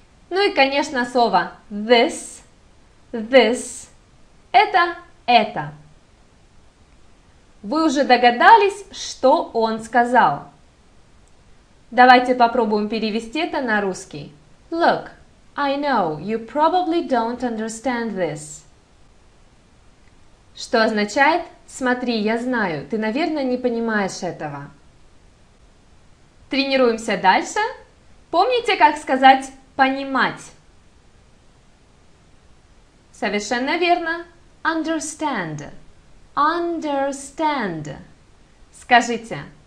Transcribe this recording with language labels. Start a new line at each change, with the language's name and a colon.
Russian: Ну и, конечно, слово this.
English: This.
Russian: Это. Вы уже догадались, что он сказал. Давайте попробуем перевести это на русский.
English: Look. I know, you probably don't understand this.
Russian: Что означает? Смотри, я знаю, ты, наверное, не понимаешь этого. Тренируемся дальше. Помните, как сказать «понимать»? Совершенно верно.
English: Understand. Understand.
Russian: Скажите.